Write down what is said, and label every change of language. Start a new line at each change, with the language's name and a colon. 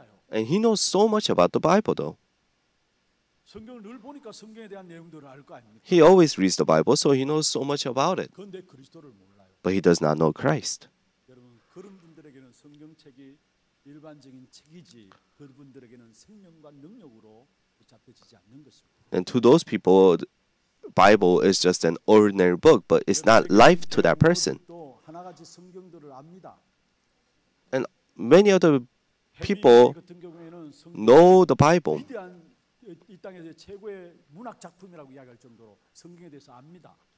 English: And he knows so much about the Bible, though.
Korean: 성경을 늘 보니까 성경에 대한 내용들을 알 거 아닙니까?
English: He always reads the Bible, so he knows so much about it.
Korean: 그런데 그리스도를 몰라요.
English: But he does not know Christ.
Korean: 여러분, 그런 분들에게는 성경책이 일반적인 책이지 그분들에게는 생명과 능력으로 붙잡혀지지 않는 것입니다.
English: And to those people, Bible is just an ordinary book, but it's not life to that person.
Korean: 또 하나 가지 성경들을 압니다.
English: And many other people know the Bible.
Korean: 이 땅에서 최고의 문학 작품이라고 이야기할 정도로 성경에 대해서 압니다.